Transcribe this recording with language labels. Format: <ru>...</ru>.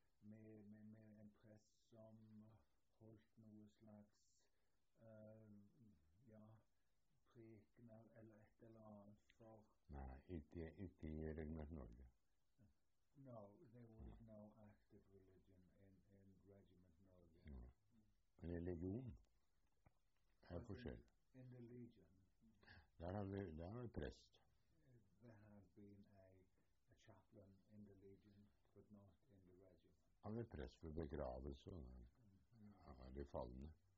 <no>Med en prest som holdt noe slags prekener eller et eller annet for... Nei, ikke i Regiment Norge.</no> <en>No, there was no active religion in Regiment Norge.</en> <no>Men i legion? Det er forskjell.</no> <en>In the legion?</en> <no>Der har vi prest.</no> <en>There has been a chaplain in the legion, but not in the regiment.</en> <no>Han ble prest for begravelse og de fallende.</no>